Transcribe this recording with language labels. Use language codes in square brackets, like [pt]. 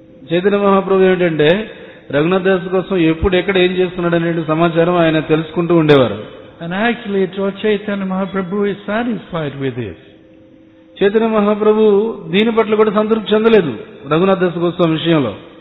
[te] చైతన్య మహాప్రభు ఏమిటంటే రఘునాథ దాస్ కోసం ఎప్పుడు ఎక్కడ ఏం చేస్తున్నాడు అనే సమాచారం ఆయన తెలుసుకుంటూ ఉండేవారు. [en] And actually, Lord Chaitanya Mahaprabhu is satisfied with this. [te] Chaitanya Mahaprabhu దీని పట్ల కూడా సంతృప్తి చెందలేదు రఘునాథ దాస్ గోస్వామి విషయంలో.